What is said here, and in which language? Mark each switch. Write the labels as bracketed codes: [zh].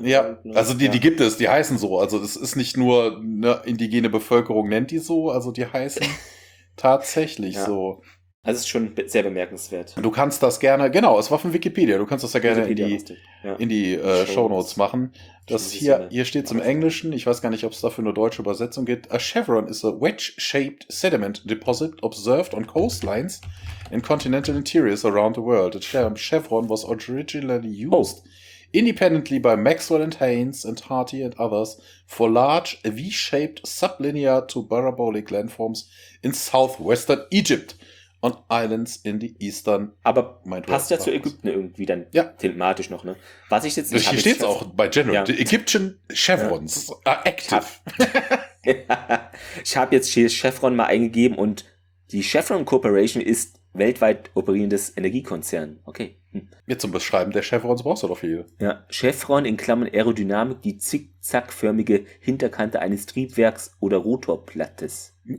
[de] Ja, also die gibt es, die heißen so. Also das ist nicht nur eine indigene Bevölkerung, nennt die so, also die heißen. Tatsächlich so. Also es ist schon sehr bemerkenswert. Du kannst das gerne, genau, es war von Wikipedia, du kannst das ja gerne in die Shownotes machen. Das hier, steht es im Englischen, ich weiß gar nicht, ob es dafür eine deutsche Übersetzung gibt. [en] A chevron is a wedge-shaped sediment deposit observed on coastlines in continental interiors around the world. A chevron was originally used independently by Maxwell and Haynes and Hardy and others for large V-shaped sublinear to parabolic landforms in southwestern Egypt on islands in the eastern. [de] Aber passt ja zu Ägypten irgendwie dann thematisch noch, ne? Was ich jetzt nicht. Hier steht es auch bei General. Ja. [en] The Egyptian chevrons are active. [de] Ich habe jetzt hier Chevron mal eingegeben und die Chevron Corporation ist weltweit operierendes Energiekonzern. Okay. Mir zum Beschreiben der Chevrons brauchst du doch viel. Ja, Chevron in Klammern Aerodynamik, die zickzackförmige Hinterkante eines Triebwerks oder Rotorplattes.